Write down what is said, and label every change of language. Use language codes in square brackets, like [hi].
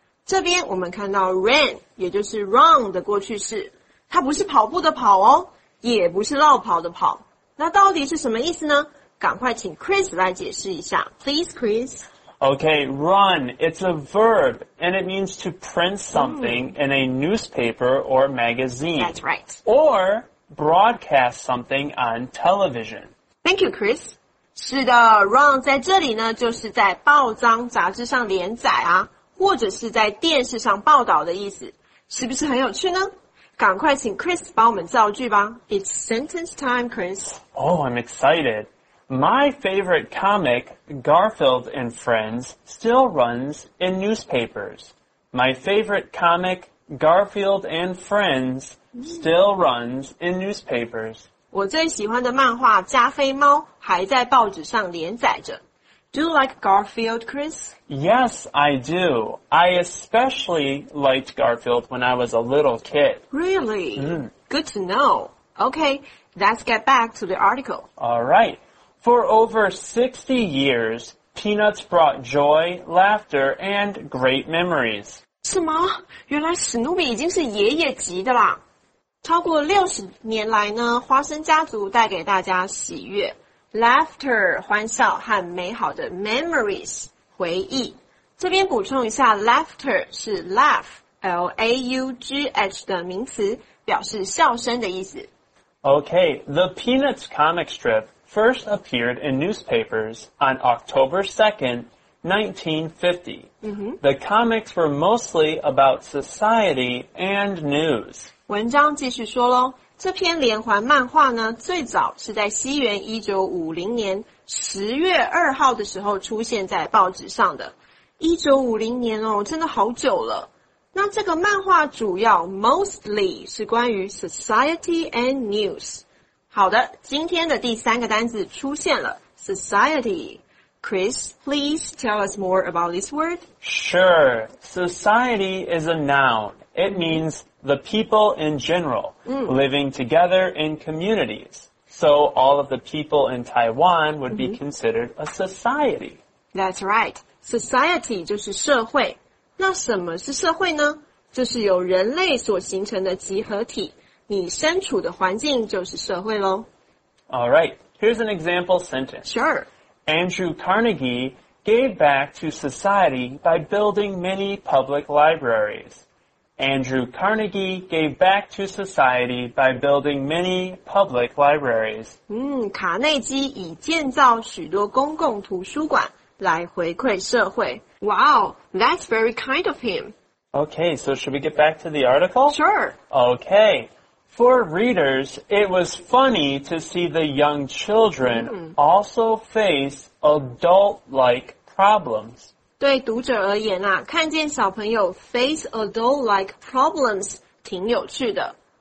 [zh] 这边我们看到 ran， 也就是 run 的过去式，它不是跑步的跑哦，也不是绕跑的跑。那到底是什么意思呢？赶快请 Chris 来解释一下 ， [en] Please Chris。 Okay, run, it's a verb, and it means to print something、mm. in a newspaper or magazine. That's right. Or... broadcast something on television. Thank you, Chris. [zh] 是的 ,run 在这里呢就是在报章杂志上连载啊或者是在电视上报道的意思。是不是很有趣呢赶快请 Chris 帮我们造句吧。 [en] It's sentence time, Chris. Oh, I'm excited. My favorite comic, Garfield and Friends, still runs in newspapers. My favorite comic, Garfield and Friends,Still runs in newspapers. [zh] 我最喜欢的漫画《加菲猫》还在报纸上连载着。 [en] Do you like Garfield, Chris? Yes, I do. I especially liked Garfield when I was a little kid. Really?、Mm. Good to know. Okay, let's get back to the article. All right. For over 60 years, Peanuts brought joy, laughter, and great memories. [zh] 什么？原来史努比已经是爷爷级的啦。超过60年来呢花生家族带给大家喜悦 laughter 欢笑和美好的 memories 回忆这边补充一下 laughter 是 laugh L-A-U-G-H 的名词表示笑声的意思 [en] Okay, the Peanuts comic strip first appeared in newspapers on October 2nd, 1950、mm-hmm. The comics were mostly about society and news [zh] 文章继续说咯这篇连环漫画呢最早是在西元1950年10月2号的时候出现在报纸上的。 1950年哦真的好久了。那这个漫画主要 mostly 是关于 [en] society and news。 [zh] 好的今天的第三个单字出现了 society。 [en] Chris, please tell us more about this word. Sure. Society is a noun. It means the people in general,、mm. living together in communities. So all of the people in Taiwan would、mm-hmm. be considered a society. That's right. [zh] Society 就是社会。那什么是社会呢？就是由人类所形成的集合体。你身处的环境就是社会咯。 [en] All right. Here's an example sentence. Sure. Andrew Carnegie gave back to society by building many public libraries. Andrew Carnegie gave back to society by building many public libraries. [zh] 卡内基以建造许多公共图书馆来回馈社会。 [en] Wow, that's very kind of him. Okay, so should we get back to the article? Sure. Okay. For readers, it was funny to see the young children、mm. also face adult-like problems. [zh] 对读者而言啊，看见小朋友 [en] face adult-like problems [zh] 挺有趣的。